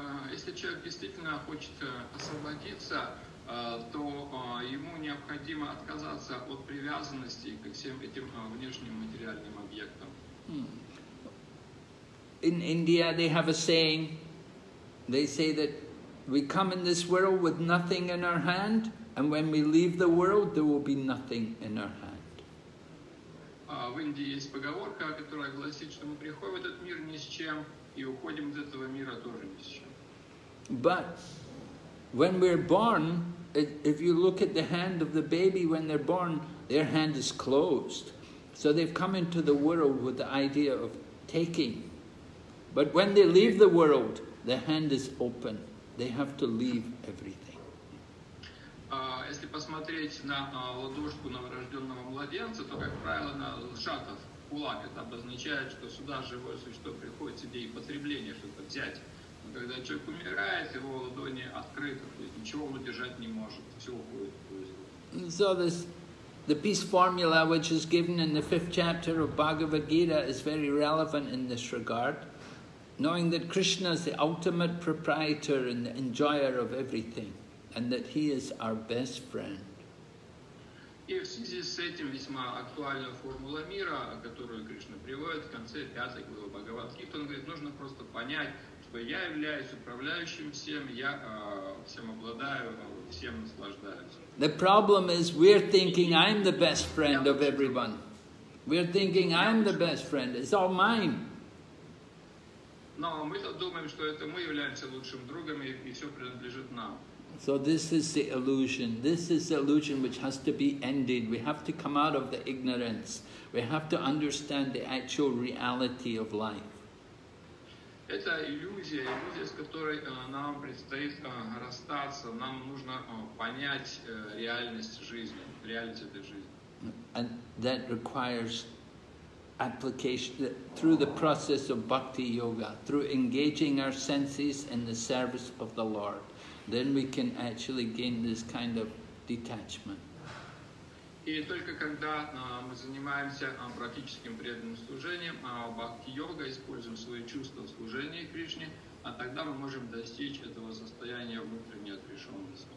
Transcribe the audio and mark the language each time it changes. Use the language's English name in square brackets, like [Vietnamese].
[Russian] Если человек действительно хочет освободиться, то ему необходимо отказаться от привязанности ко всем этим внешним материальным объектам. [English] In India, they have a saying. They say that we come in this world with nothing in our hand, and when we leave the world, there will be nothing in our hand. [Russian] В Индии есть поговорка, которая гласит, что мы приходим в этот мир ни с чем, и уходим из этого мира тоже ни с чем. [English] But when we're born, if you look at the hand of the baby when they're born, their hand is closed. So they've come into the world with the idea of taking. But when they leave the world, the hand is open. They have to leave everything. [Russian] Если посмотреть на ладошку новорожденного младенца, то, как правило, она сжата в кулак. Это обозначает, что сюда живое существо приходит с идеей потребления, чтобы взять. Но когда человек умирает, его ладони открыты, то есть ничего он удержать не может, все уходит. [English] So this, the peace formula, which is given in the 5th chapter of Bhagavad Gita, is very relevant in this regard. Knowing that Krishna is the ultimate proprietor and the enjoyer of everything, and that he is our best friend. [Russian] И в связи с этим весьма актуальна формула мира, которую Кришна приводит в конце 5 главы Бхагавад-гиты. Он говорит, нужно просто понять, что я являюсь управляющим всем, я всем обладаю, всем наслаждаюсь. [English] The problem is we're thinking I'm the best friend of everyone. We're thinking I'm the best friend. It's all mine. [Russian] Но мы-то думаем, что это мы являемся лучшим другом, и все принадлежит нам. [English] So this is the illusion. This is the illusion which has to be ended. We have to come out of the ignorance. We have to understand the actual reality of life. [Russian] Это иллюзия, иллюзия, с которой нам предстоит расстаться. Нам нужно понять реальность жизни, реальность этой жизни. [English] And that requires application through the process of bhakti yoga, through engaging our senses in the service of the Lord, then we can actually gain this kind of detachment. [Russian] И только когда мы занимаемся практическим преданным служением, бхакти йога, используем свои чувства служения Кришне, а тогда мы можем достичь этого состояния внутренней отрешенности.